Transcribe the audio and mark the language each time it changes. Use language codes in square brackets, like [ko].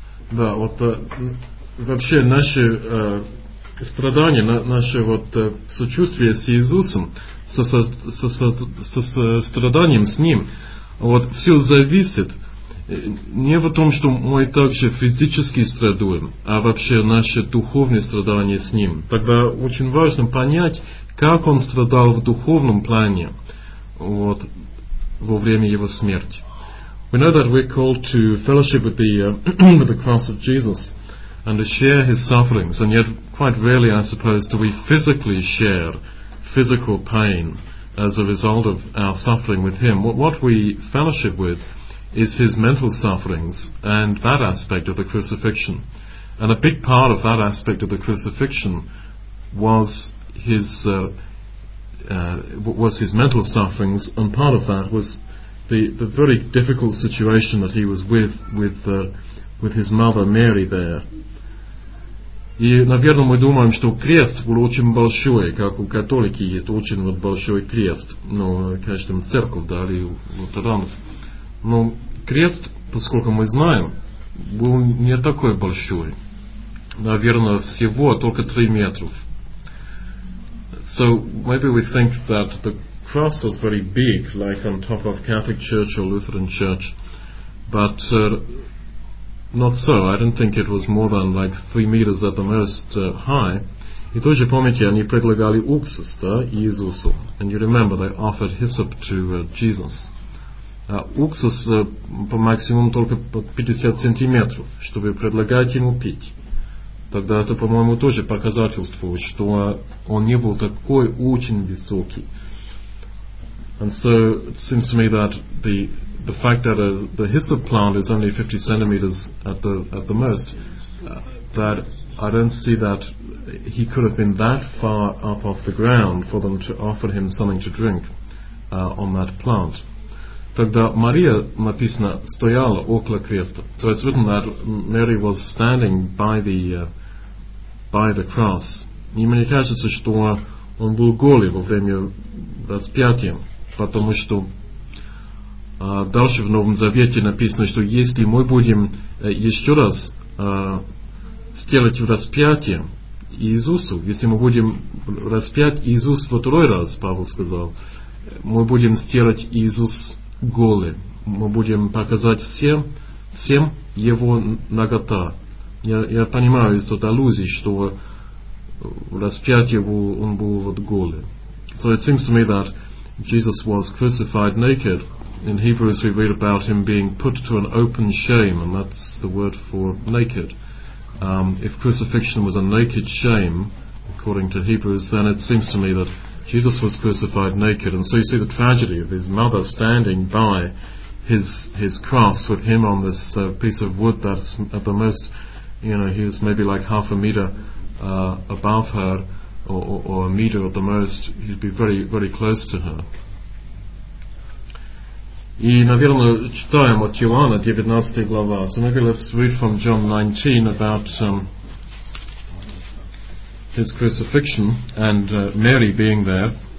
[ru] Да, вот вообще наши страдания, наше вот сочувствие с Иисусом, со страданием с Ним, вот все зависит не в том, что мы также физически страдаем, а вообще наши духовные страдания с Ним. Тогда очень важно понять, как Он страдал в духовном плане, вот, во время Его смерти. [en] We know that we're called to fellowship with the cross of Jesus and to share His sufferings, and yet quite rarely, I suppose, do we physically share physical pain as a result of our suffering with Him. What we fellowship with is His mental sufferings and that aspect of the crucifixion. And a big part of that aspect of the crucifixion was his mental sufferings, and part of that was the very difficult situation that he was with his mother Mary there. [ru] И, наверное, мы думаем, что крест был очень большой, как у католики есть очень вот большой крест. Ну, конечно, церковь, да, или у лютеранов. Но крест, поскольку мы знаем, был не такой большой. Наверное, всего только 3 метра. [en] So, maybe we think that the cross was very big, like on top of Catholic Church or Lutheran Church. But... Not so, I don't think it was more than like 3 meters at the most high. [ru] И тоже помните, они предлагали уксус, да, Иисусу. [en] And you remember, they offered hyssop to Jesus. [ru] Уксус по максимуму только 50 сантиметров, чтобы предлагать ему пить. Тогда это, по-моему, тоже показательство, что он не был такой очень высокий. [en] And so it seems to me that the fact that the hyssop plant is only 50 centimeters at the most, that I don't see that he could have been that far up off the ground for them to offer him something to drink on that plant. [ru] Тогда Мария написано стояла около креста. [en] So it's written that Mary was standing by the cross. [ru] И мне кажется, что он был голый во время распятия. Потому что дальше в Новом Завете написано, что если мы будем еще раз сделать распятие Иисусу, если мы будем распять Иисус во второй раз, Павел сказал, мы будем сделать Иисус голый. Мы будем показать всем его нагота. Я понимаю из тот аллюзий, что распятие он был вот голый. [en] So it seems to me that Jesus was crucified naked. In Hebrews we read about him being put to an open shame, and that's the word for naked. If crucifixion was a naked shame, according to Hebrews, then it seems to me that Jesus was crucified naked. And so you see the tragedy of his mother standing by his cross with him on this piece of wood that's at the most, you know, he was maybe like half a meter above her. Or a meter at the most, he'd be very, very close to her. [ru] И, наверное, читаем от Иоанна 19 глава. [en] So maybe let's read from John 19 about his crucifixion and Mary being there.